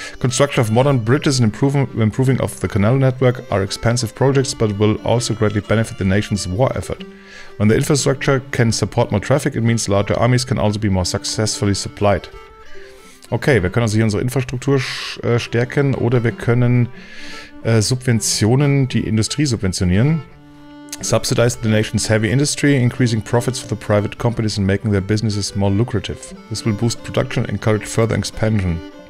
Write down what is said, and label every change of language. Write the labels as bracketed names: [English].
[English] Construction of modern bridges and improving of the canal network are expensive projects, but will also greatly benefit the nation's war effort. When the infrastructure can support more traffic, it means larger armies can also be more successfully supplied. [German] Okay, wir können also hier unsere Infrastruktur stärken oder wir können Subventionen, die Industrie subventionieren. [English] Subsidize the nation's heavy industry, increasing profits for the private companies and making their businesses more lucrative. This will boost production and encourage further expansion.